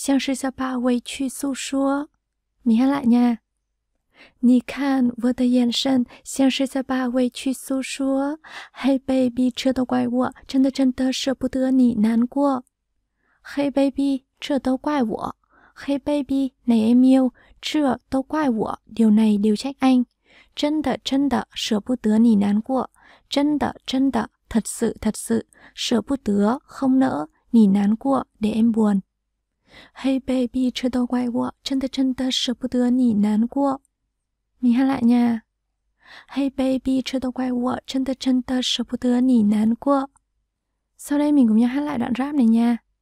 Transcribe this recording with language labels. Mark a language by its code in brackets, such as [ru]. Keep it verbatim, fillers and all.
[zh] 你看我的眼神像是在把委屈诉说。 [vi] Mình hát lại nha. [zh] 你看我的眼神像是在把委屈诉说。 [en] Hey baby, [zh] 这都怪我，真的真的舍不得你难过。 [en] Hey baby, [zh] 这都怪我。 [en] Hey baby, [vi] này em yêu, [zh] 这都怪我， [vi] điều này điều trách anh. [zh] 真的真的舍不得你难过真的真的 [vi] thật sự thật sự [zh] 舍不得 [vi] không nỡ [zh] 你难过 [vi] để em buồn. [en] Hey baby, [zh] 这都怪我真的真的舍不得你难过。 [vi] Mình hát lại nha. [en] Hey baby, [zh] 这都怪我真的真的舍不得你难过。 [vi] Sau đây mình cùng nhau hát lại đoạn rap này nha.